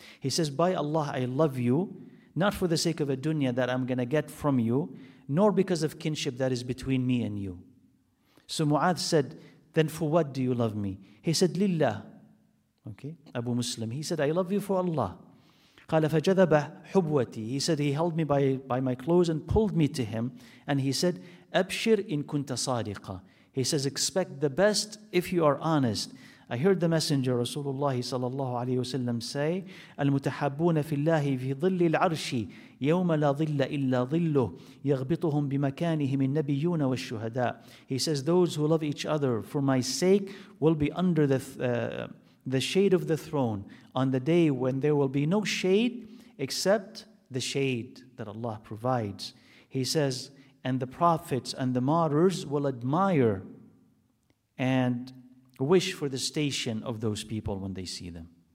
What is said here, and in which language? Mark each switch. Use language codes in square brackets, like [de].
[en] He says, by Allah, I love you, not for the sake of a dunya that I'm going to get from you, nor because of kinship that is between me and you. So Mu'adh said, then for what do you love me? He said, Lillah. Okay, Abu Muslim. He said, I love you for Allah. [ar] قَالَ فَجَذَبَ حُبْوَتِي. [en] He said, he held me by my clothes and pulled me to him. And he said, [ar] أَبْشِرْ إِن كُنْتَ صَادِقًا. [en] He says, expect the best if you are honest. I heard the Messenger, Rasulullah sallallahu alayhi wa sallam, say, [ar] المتحبون في الله في ظل العرش يوم لا ظل إلا ظله يغبطهم بمكانهم النبيون والشهداء. [en] He says, those who love each other for my sake will be under the shade of the throne on the day when there will be no shade except the shade that Allah provides. He says, and the prophets and the martyrs will admire and wish for the station of those people when they see them.